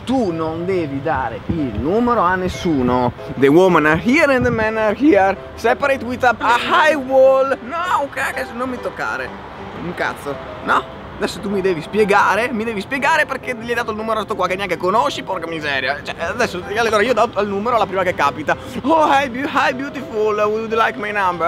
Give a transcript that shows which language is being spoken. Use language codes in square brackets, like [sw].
[it] Tu non devi dare il numero a nessuno. [en] The woman are here and the man are here. Separate with a high wall. [it] No, cazzo, non mi toccare. Un cazzo. No? Adesso tu mi devi spiegare perché gli hai dato il numero a sto qua che neanche conosci, porca miseria. Cioè, adesso, allora io do il numero alla prima che capita. [en] Oh, hi beautiful, would you like my number?